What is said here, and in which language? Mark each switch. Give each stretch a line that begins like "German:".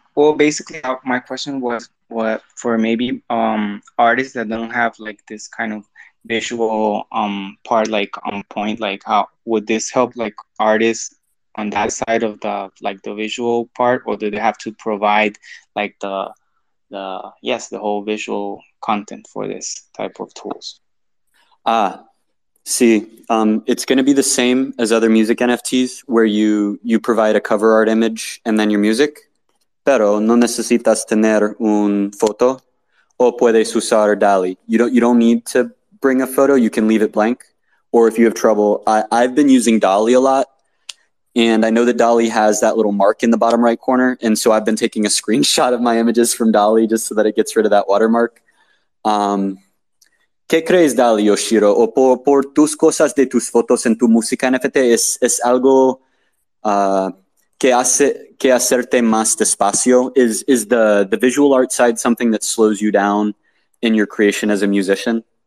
English: Well, basically, my question was, what for maybe artists that don't have like this kind of visual part, like on point, like how would this help like artists on that side of the like the visual part, or do they have to provide like the whole visual content for this type of tools? Ah, See, it's going to be the same as other music NFTs, where you provide a cover art image and then your music.
Spanish: Pero no necesitas tener un foto, o puedes usar DALL-E.
English: You don't need to bring a photo. You can leave it blank. Or if you have trouble, I've been using DALL-E a lot, and I know that DALL-E has that little mark in the bottom right corner, and so I've been taking a screenshot of my images from DALL-E just so that it gets rid of that watermark.
Spanish: ¿Qué crees, DALL-E, Yoshiro? ¿O por tus cosas de tus fotos en tu música NFT es algo que hacerte más despacio?
English: Is the visual art side something that slows you down in your creation as a musician?